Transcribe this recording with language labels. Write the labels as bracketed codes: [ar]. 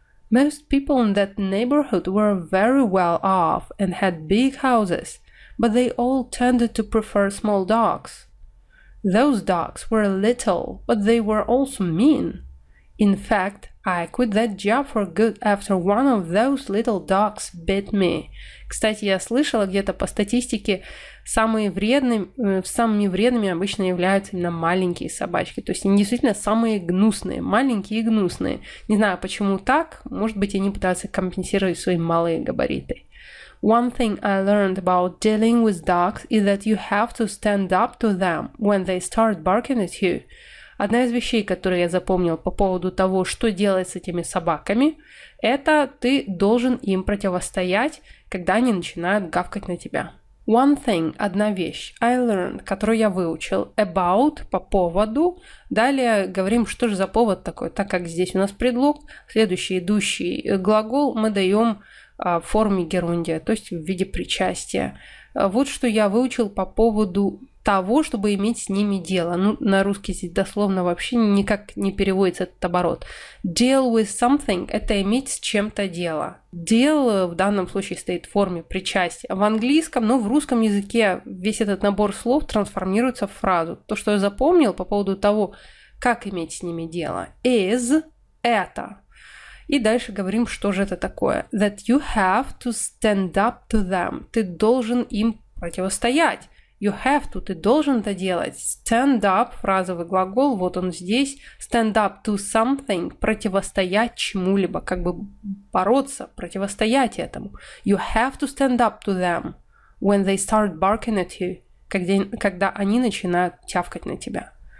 [en] Most people in that neighborhood were very well off and had big houses, but they all tended to prefer small dogs. Those dogs were little, but they were also mean. In fact, I quit that job for good after one of those little dogs bit me. [ru] Кстати, я слышала где-то по статистике, самыми вредными обычно являются именно маленькие собачки. То есть они действительно самые гнусные, маленькие и гнусные. Не знаю, почему так. Может быть, они пытаются компенсировать свои малые габариты. [en] One thing I learned about dealing with dogs is that you have to stand up to them when they start barking at you. [ru] Одна из вещей, которые я запомнил по поводу того, что делать с этими собаками, это ты должен им противостоять, когда они начинают гавкать на тебя. [en] One thing, [ru] одна вещь, [en] I learned, [ru] которую я выучил, about, по поводу. Далее говорим, что же за повод такой, так как здесь у нас предлог. Следующий идущий глагол мы даем в форме герундия, то есть в виде причастия. Вот что я выучил по поводу того, чтобы иметь с ними дело. Ну, на русский здесь дословно вообще никак не переводится этот оборот. [en] Deal with something [ru] – это иметь с чем-то дело. Deal в данном случае стоит в форме причастия. В английском, но в русском языке весь этот набор слов трансформируется в фразу. То, что я запомнил по поводу того, как иметь с ними дело. Is – это. И дальше говорим, что же это такое. [en] That you have to stand up to them. [ru] Ты должен им противостоять. [en] You have to, [ru] ты должен это делать. Stand up, фразовый глагол, вот он здесь. [en] Stand up to something, [ru] противостоять чему-либо, как бы бороться, противостоять этому. [en] You have to stand up to them when they start barking at you, [ru] когда они начинают тявкать на тебя.